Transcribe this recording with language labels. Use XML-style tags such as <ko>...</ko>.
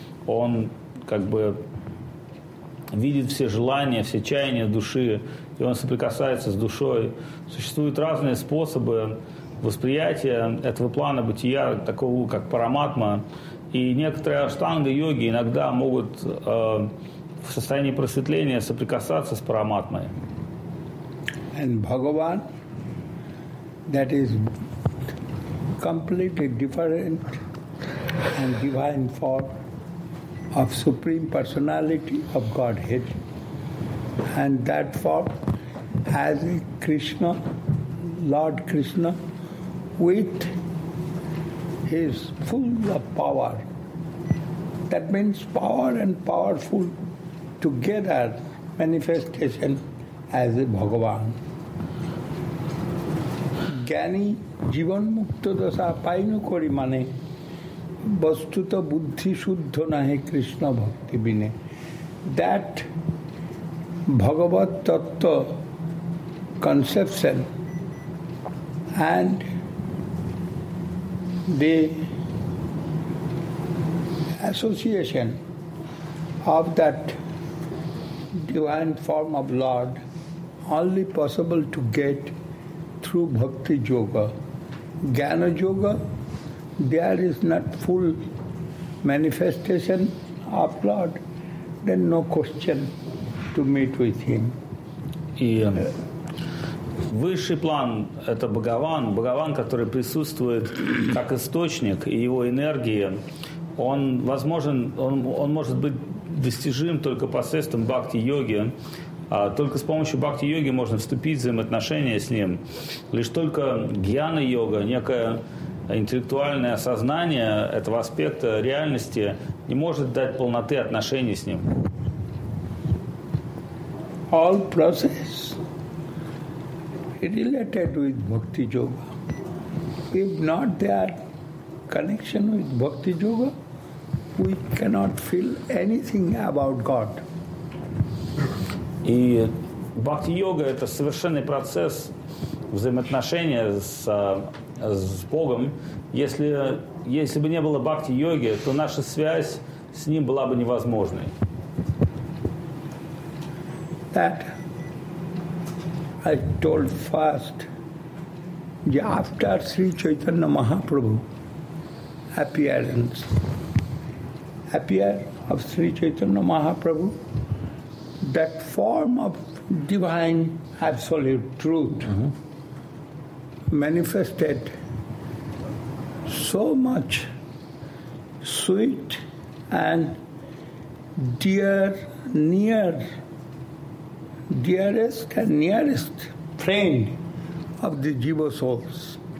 <ru>Он как бы видит все желания, все чаяния души, и он соприкасается с душой. Существуют разные способы восприятия этого плана бытия, такого как Параматма. И некоторые аштанга-йоги иногда могут в состоянии просветления соприкасаться с Параматмой.</ru> <en>And Bhagavan, that is completely different and divine form of Supreme Personality of Godhead. And that form has Krishna, Lord Krishna, with his full of power. That means power and powerful together manifestation as a Bhagavan.</en> <bn>জ্ঞানী জীবনমুক্ত দশা pine করি মানে বস্তুত বুদ্ধিশুদ্ধ নাহে কৃষ্ণ ভক্তি বিনে</bn> <en>That bhagavat tattva conception and the association of that divine form of Lord only possible to get through bhakti yoga. Jnana yoga, there is not full manifestation of Lord, then no question to meet with him.</en> <ru>И высший план – это Бхагаван. Бхагаван, который присутствует как источник, и его энергия, он возможен, он может быть достижим только посредством бхакти-йоги. Только с помощью бхакти-йоги можно вступить в взаимоотношения с ним. Лишь только гьяна-йога, некое интеллектуальное осознание этого аспекта реальности не может дать полноты отношений с ним.</ru> <en>All process related with bhakti-yoga. If not there connection with bhakti-yoga, we cannot feel anything about God.</en> <ru>И бхакти-йога – это совершенный процесс взаимоотношения с Богом. Если бы не было бхакти-йоги, то наша связь с Ним была бы невозможной.</ru> <en>That I told first, after Sri Chaitanya Mahaprabhu appearance of Sri Chaitanya Mahaprabhu, that form of divine absolute truth manifested so much sweet and dearest and nearest friend of the jiva souls.</en>